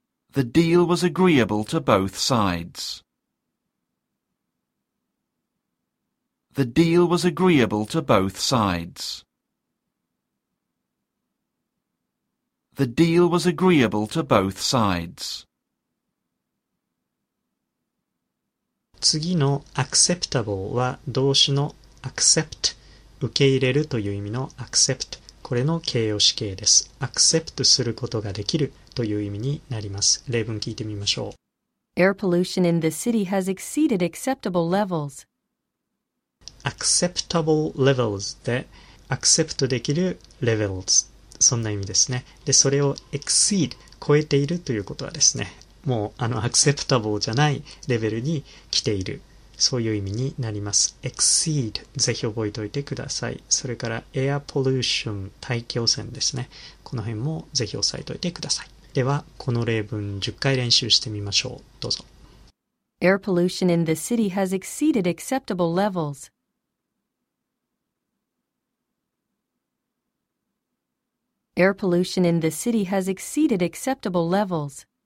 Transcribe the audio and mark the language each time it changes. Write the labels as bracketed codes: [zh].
[en] The deal was agreeable to both sides. The deal was agreeable to both sides. The deal was agreeable to both sides. [ja] 次の acceptable は動詞の accept、受け入れるという意味の accept、これの形容詞形です。 accept することができるという意味になります。例文聞いてみましょう。 [en] Air pollution in the city has exceeded acceptable levels. acceptable levels [ja] で、accept できる levels。そんな意味ですね。で、それを exceed、超えているということはですね、もうacceptable じゃないレベルに来ている。そういう意味になります。exceed、ぜひ覚えておいてください。それから air pollution、大気汚染ですね。この辺もぜひ押さえておいてください。では、この例文10回練習してみましょう。どうぞ。 [en] Air pollution in the city has exceeded acceptable levels. Air pollution in the city has exceeded acceptable levels.